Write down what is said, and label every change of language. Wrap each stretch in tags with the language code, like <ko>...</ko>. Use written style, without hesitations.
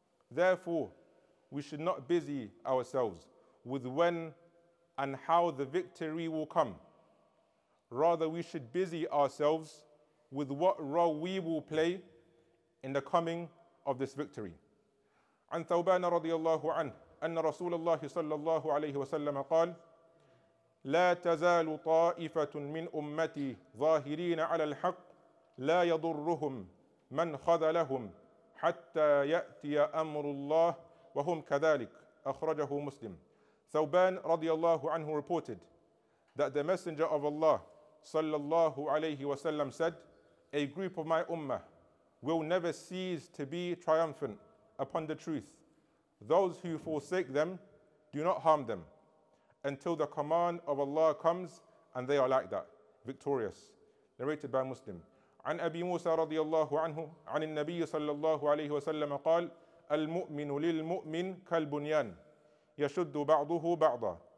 <en>Therefore, we should not busy ourselves with when and how the victory will come. Rather, we should busy ourselves with what role we will play in the coming of this victory.</en> <ar>عن ثوبان رضي الله عنه أن رسول الله صلى الله عليه وسلم قال لا تزال طائفة من أمتي ظاهرين على الحق لا يضرهم من خذلهم حتى يأتي أمر الله وهم كذلك أخرجه مسلم.</ar> <en>ثوبان</en> <ar>رضي الله عنه</ar> <en>reported that the Messenger of Allah</en> <ar>صلى الله عليه وسلم</ar> <en>said, a group of my ummah will never cease to be triumphant upon the truth. Those who forsake them, do not harm them until the command of Allah comes and they are like that, victorious. Narrated by Muslim.</en> <ar>عن أبي موسى رضي الله عنه عن النبي صلى الله عليه وسلم قال المؤمن للمؤمن كالبنيان يشد بعضه بعضا.</ar>